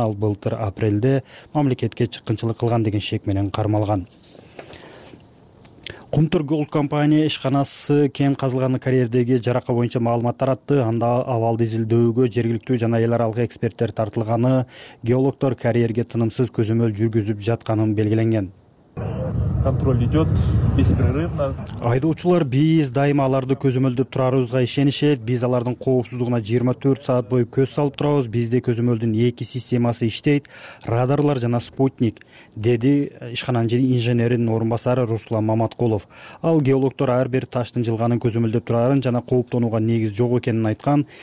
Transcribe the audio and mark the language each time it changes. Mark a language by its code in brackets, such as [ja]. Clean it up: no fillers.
[ky] Ал былтыр апрелде мамлекетке чыккынчылык кылган деген шек менен кармалган. Кумтур Gold компания ишканасы кен казылган карьердеги жарака боюнча маалымат таратты. Анда абалды изилдөөгө жергиликтүү жана эл аралык эксперттер тартылганы, геологтор карьерге тынымсыз көзөмөл жүргүзүп жатканын белгиленген. [ru] Контроль идет беспрерывно. [ky] Айдоочулар, биз дайыма аларды көзөмөлдөп турарыбызга ишенишет. Биз алардын коопсуздугуна 24 саат бою көз салып турабыз. Бизде көзөмөлдүн 2 системасы иштейт: радарлар жана спутник, деди ишкананын инженеринин орун басары Руслан Маматколов. Ал геологтор ар бир таштын жылганын көзөмөлдөп турарын жана кооптонууга негиз жок экенин айткан.